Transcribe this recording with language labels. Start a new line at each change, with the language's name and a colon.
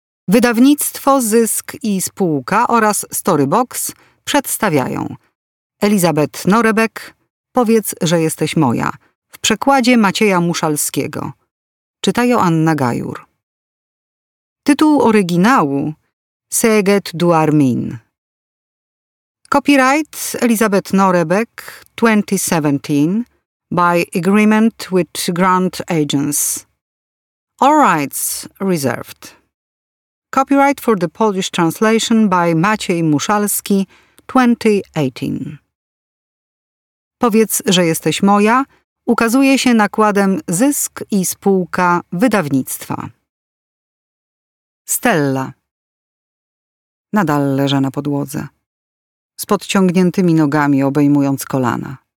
Polish: Wydawnictwo Zysk i Spółka oraz Storybox przedstawiają Elizabeth Norebek, Powiedz, że jesteś moja, w przekładzie Macieja Muszalskiego. Czytają Anna Gajur. Tytuł oryginału Seget Duarmin.
English: Copyright Elizabeth Norebek 2017 by agreement with Grant Agents. All rights reserved. Copyright for the Polish translation by Maciej Muszalski, 2018.
Polish: Powiedz, że jesteś moja, ukazuje się nakładem Zysk i Spółka Wydawnictwa. Stella. Nadal leży na podłodze, z podciągniętymi nogami obejmując kolana.